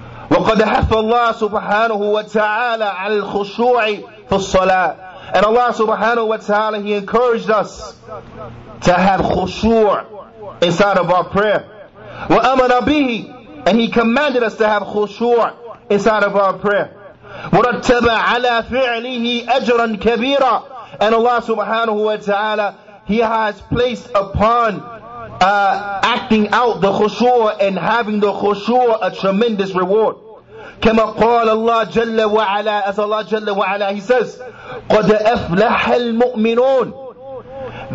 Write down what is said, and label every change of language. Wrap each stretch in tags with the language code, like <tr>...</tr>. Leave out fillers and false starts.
<ar>وَقَدْ حَفَّ اللَّهُ سُبْحَانَهُ وَتَعَالَى عَلَى الْخُشُوعِ فِي الصَّلَاةِ.</ar> <en>And Allah subhanahu wa ta'ala, He encouraged us to have khushu' inside of our prayer.</en> <ar>وَأَمَرَ بِهِ.</ar> <en>And He commanded us to have khushu' inside of our prayer.</en> <ar>وَرَتَّبَ عَلَى فِعْلِهِ أَجْرًا كَبِيرًا.</ar> <en>And Allah subhanahu wa ta'ala, He has placed upon acting out the khushu' and having the khushu' a tremendous reward.</en> <ar>كَمَا قَالَ اللَّهُ جَلَّ وَعَلَى.</ar> <en>As Allah jalla wa'ala, He says,</en> <ar>قَدْ أَفْلَحَ الْمُؤْمِنُونَ.</ar>